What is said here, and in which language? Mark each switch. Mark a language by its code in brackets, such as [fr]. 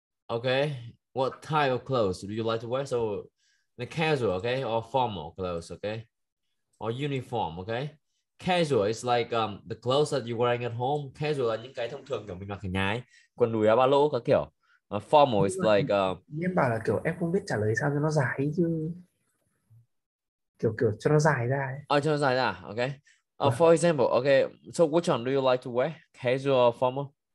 [en] Okay, what type of clothes do you like to wear? So, the casual, okay, or formal clothes, okay? Or uniform, okay? Casual is like the clothes that you're wearing at home. [vi] Casual là những cái thông thường kiểu mình mặc ở nhà ấy. Quần đùi áo ba lỗ các kiểu. [en] Formal is like [vi] em bảo là kiểu em không biết trả lời sao cho nó dài chứ kiểu cho nó dài ra ấy. Cho nó dài ra, okay. [en] For example, okay, so which one do you like to wear, casual or formal?